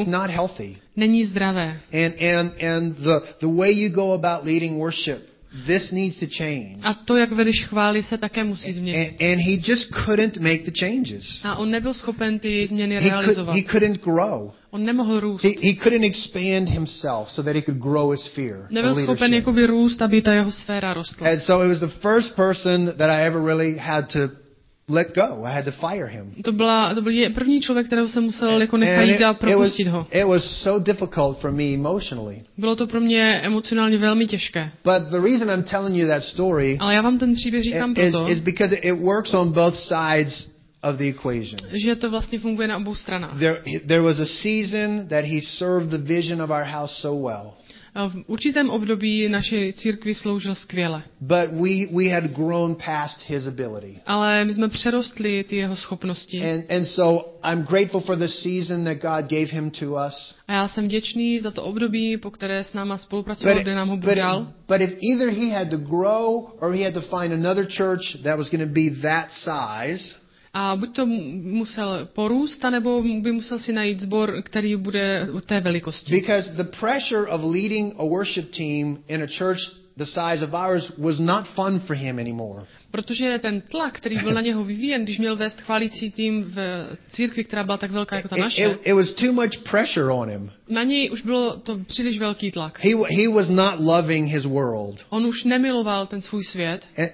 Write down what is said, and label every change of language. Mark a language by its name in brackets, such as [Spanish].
[English] It's not healthy. [Czech] Není zdravé. [English] And the way you go about leading worship, this needs to change. [Czech] A to, jak vedeš chvály, se také musí změnit. [English] And he just couldn't make the changes. [Czech] A on nebyl schopen ty změny realizovat. [English] He couldn't grow. [Czech] On nemohl růst. [English] He couldn't expand himself so that he could grow his sphere. [Czech] Nebyl schopen jakoby růst, aby ta jeho sféra rostla. [English] And so it was the first person that I ever really had to let go. I had to fire him. [Czech] To byl první člověk, kterého jsem musel jako nechat a propustit ho. [English] It was so difficult for me emotionally. [Czech] Bylo to pro mě emocionálně velmi těžké. [English] But the reason I'm telling you that story, [Czech] ale já vám ten příběh říkám proto, [English] is because it works on both sides of the equation. [Czech] Že to vlastně funguje na obou stranách. [English] There was a season that he served the vision of our house so well. [Czech] V určitém období naší církvi sloužil skvěle. [English] But we had grown past his ability. [Czech] Ale my jsme přerostli ty jeho schopnosti. [English] And so I'm grateful for the season that God gave him to us. [Czech] A já jsem vděčný za to období, po které s náma spolupracoval, kde nám ho Bůh dal. [English] But if either he had to grow or he had to find another church that was going to be that size. [Czech] A buď to musel porůst, anebo by musel si najít sbor, který bude u té velikosti. [English] Because the pressure of leading a worship team in a church the size of ours was not fun for him anymore. [Czech] Protože ten tlak, který byl na něho vyvíjen, když měl vést chválící tým v církvi, která byla tak velká jako ta naše. [English] It was too much pressure on him. [Czech] Na něj už bylo to příliš velký tlak. [English] He was not loving his world. [Czech] On už nemiloval ten svůj svět.